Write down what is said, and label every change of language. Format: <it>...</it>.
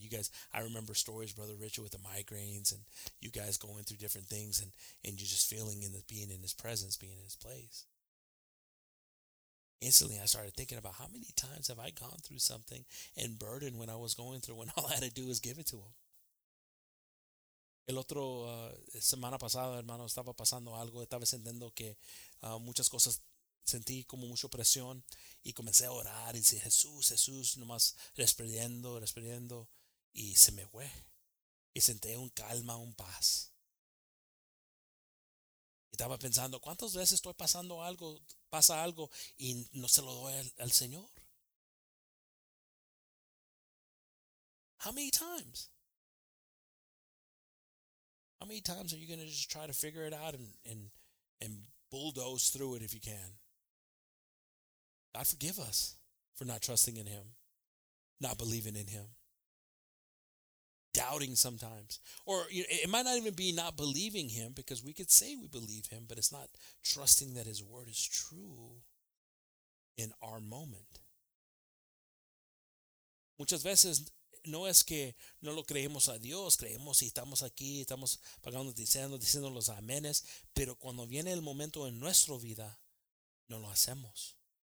<en>You guys, I remember stories, Brother Richard, with the migraines and you guys going through different things and you just feeling in the, being in His presence, being in His place. Instantly, I started thinking about how many times have I gone through something and burdened when I was going through when all I had to do was give it to Him.</en> <es>El otro semana pasada, hermano, estaba pasando algo. Estaba sintiendo que muchas cosas. Sentí como mucha presión y comencé a orar y dije, Jesús, Jesús, nomás respirando, respirando, y se me fue. Y senté un calma, un paz. Y estaba pensando, ¿cuántas veces estoy pasando algo, pasa algo, y no se lo doy al Señor?</es> <en>How many times are you going to just try to figure it out and bulldoze through it if you can? God forgive us for not trusting in Him, not believing in Him, doubting sometimes. Or you know, it might not even be not believing Him, because we could say we believe Him, but it's not trusting that His word is true in our moment.</en> <es>Muchas veces no es que no lo creemos a Dios, creemos y estamos aquí, estamos pagando, diciendo los amenes, pero cuando viene el momento en nuestra vida, no lo hacemos.</es>